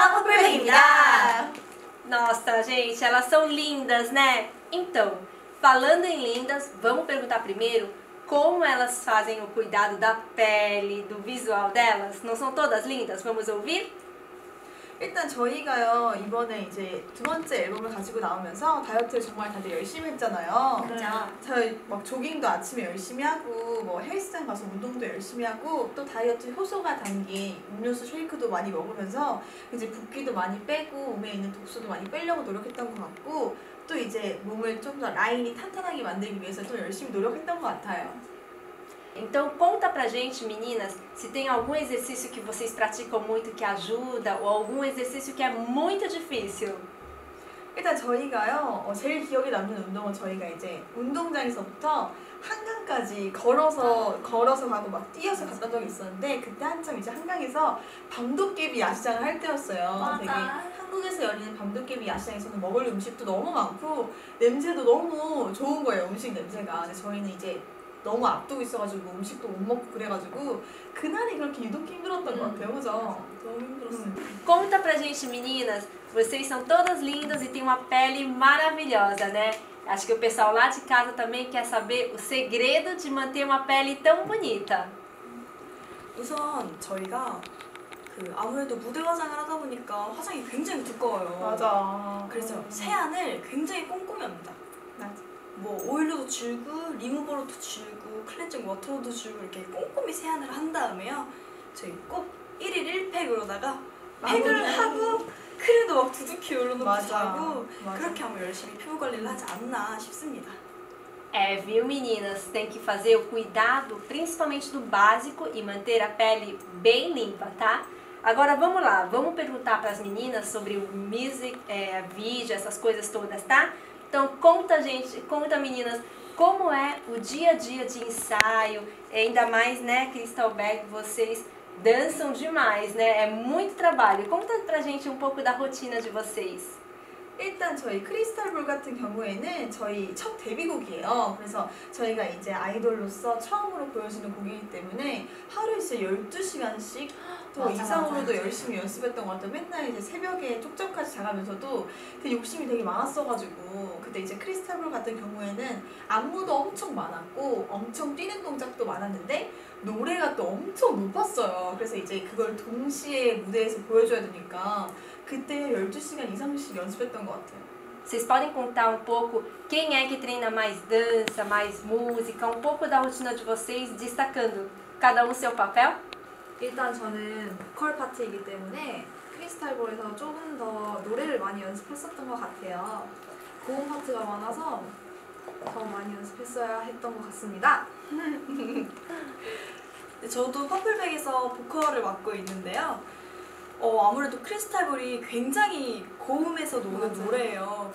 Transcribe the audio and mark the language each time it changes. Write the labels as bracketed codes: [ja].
[ko] Purple Back입니다. [pt] Nossa, gente, elas são lindas, né? Então, falando em lindas, vamos perguntar primeiro como elas fazem o cuidado da pele, do visual delas? Não são todas lindas? Vamos ouvir? [ko] 일단 저희가요, 이번에 이제 두 번째 앨범을 가지고 나오면서 다이어트를 정말 다들 열심히 했잖아요. 그렇죠. 저희 막 조깅도 아침에 열심히 하고, 뭐 헬스장 가서 운동도 열심히 하고, 또 다이어트 효소가 담긴 음료수 쉐이크도 많이 먹으면서 이제 붓기도 많이 빼고, 몸에 있는 독소도 많이 빼려고 노력했던 것 같고, 또 이제 몸을 좀 더 라인이 탄탄하게 만들기 위해서 또 열심히 노력했던 것 같아요. [pt] Então conta pra gente, meninas, se tem algum exercício que vocês praticam muito que ajuda ou algum exercício que é muito difícil. [ko] 일단 저희가요, 제일 기억에 남는 운동은 저희가 이제 운동장에서부터 한강까지 걸어서 가고 막 뛰어서 갔던 적이 있었는데 그때 한참 이제 한강에서 밤도깨비 야시장을 할 때였어요. 맞아. 되게 한국에서 열리는 밤도깨비 야시장에서는 먹을 음식도 너무 많고 냄새도 너무 좋은 거예요, 음식 냄새가. 근데 저희는 이제 너무 앞두고 있어가지고 음식도 못 먹고 그래가지고 그날이 그렇게 유독 힘들었던 것 같아요, 그죠? 너무 힘들었어요. [pt] Conta pra gente, meninas. Vocês são todas lindas e têm uma pele maravilhosa, né? Acho que o pessoal lá de casa também quer saber o segredo de manter uma pele tão bonita. [ko] 우선 저희가 그 아무래도 무대 화장을 하다 보니까 화장이 굉장히 두꺼워요. 맞아. 그래서 세안을 굉장히 꼼꼼히 합니다. 맞아. 뭐 오일로도 줄고 리무버로도 줄고 클렌징 워터로도 줄고 이렇게 꼼꼼히 세안을 한 다음에요 저희 꼭 1일 1팩으로다가 팩을 하고 크림도 막 두둑히 올려놓고 자고 그렇게 하면 열심히 피부 관리를 하지 않나 싶습니다. [pt] É, viu, meninas? Tem que fazer o cuidado principalmente do básico e manter a pele bem limpa, tá? Agora vamos lá, vamos perguntar para as meninas sobre o music, vídeo, essas coisas todas, tá? Então conta, gente, conta, meninas, como é o dia a dia de ensaio, ainda mais, né, Crystal Back, vocês dançam demais, né? É muito trabalho. Conta pra gente um pouco da rotina de vocês. [ko] 일단 저희 크리스탈 볼 같은 경우에는 저희 첫 데뷔곡이에요. 그래서 저희가 이제 아이돌로서 처음으로 보여지는 곡이기 때문에 하루에 이제 12시간씩 또 맞아, 이상으로도 맞아. 열심히 연습했던 것 같아요. 맨날 이제 새벽에 쪽잠까지 자가면서도 되게 욕심이 되게 많았어가지고 그때 이제 크리스탈 볼 같은 경우에는 안무도 엄청 많았고 엄청 뛰는 동작도 많았는데 노래가 또 엄청 높았어요. 그래서 이제 그걸 동시에 무대에서 보여줘야 되니까 그때 12시간 이상씩 연습했던 것 같아요. Vocês podem contar um pouco quem é que treina mais dança, mais música, um pouco da rotina de vocês, destacando cada um seu papel? 일단 저는 보컬 파트이기 때문에 크리스탈 볼에서 조금 더 노래를 많이 연습했었던 것 같아요. 고음 파트가 많아서 더 많이 연습했어야 했던 것 같습니다. 저도 퍼플백에서 보컬을 맡고 있는데요. 아무래도 크리스탈볼이 굉장히 고음에서 노는 맞아. 노래예요.